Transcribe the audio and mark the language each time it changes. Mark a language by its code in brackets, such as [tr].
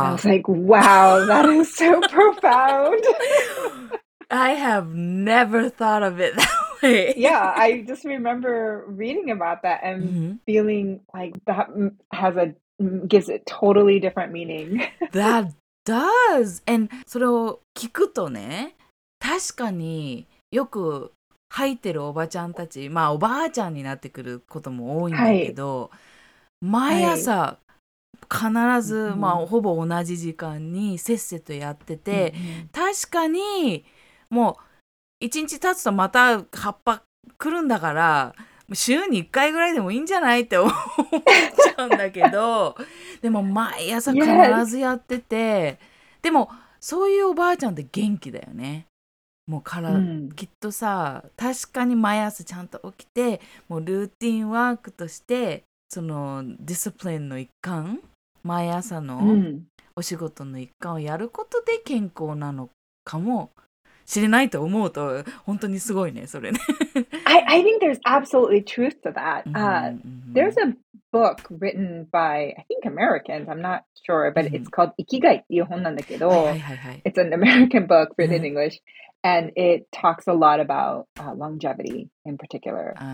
[en] And I was like, wow, that is so profound. I have never thought of it that way. Yeah, I just remember reading about that and feeling like that has a, gives it totally different meaning. That does. [ja] And それを聞くとね、確かによく吐いてるおばちゃんたち、まあおばあちゃんになってくることも多いんだけど、はい、毎朝必ず、はい、まあほぼ同じ時間にせっせとやってて、確かにもう一日経つとまた葉っぱ来るんだから、週に1回ぐらいでもいいんじゃないって思っちゃうんだけど、でも毎朝必ずやってて、でもそういうおばあちゃんって元気だよね。もうからきっとさ、確かに毎朝ちゃんと起きて、もうルーティンワークとしてそのディスプリンの一環、毎朝のお仕事の一環をやることで健康なのかもしれないと思うと、本当にすごいねそれね。 [en] I think there's absolutely truth to that. There's a book written by, I think, Americans. I'm not sure, but it's called [ja] 生きがいっていう本なんだけど、はいはいはいはい、 [en] it's an American book written in English. And it talks a lot about、longevity in particular.